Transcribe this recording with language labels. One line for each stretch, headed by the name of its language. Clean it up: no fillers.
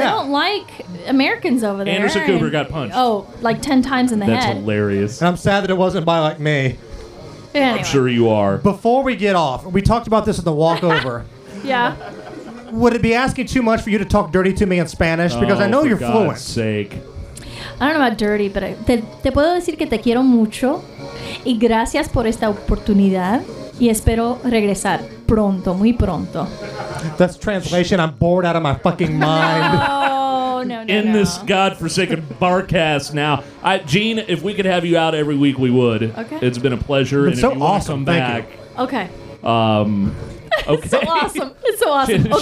English: They don't like Americans over there. Anderson Cooper got punched. Oh, like 10 times in the That's head. That's hilarious. And I'm sad that it wasn't by like me. Anyway. I'm sure you are. Before we get off, we talked about this in the walkover. Yeah. Would it be asking too much for you to talk dirty to me in Spanish? Because oh, I know you're God's fluent. For God's sake. I don't know about dirty, but
Spanish: te puedo decir que te quiero mucho y gracias por esta oportunidad y espero regresar pronto, muy pronto.
English: That's translation. I'm bored out of my fucking mind. No. In this godforsaken barcast now. Gene, if we could have you out every week, we would. Okay. It's been a pleasure. It's and so if you awesome. Come back. Okay. Okay. It's so awesome. Okay.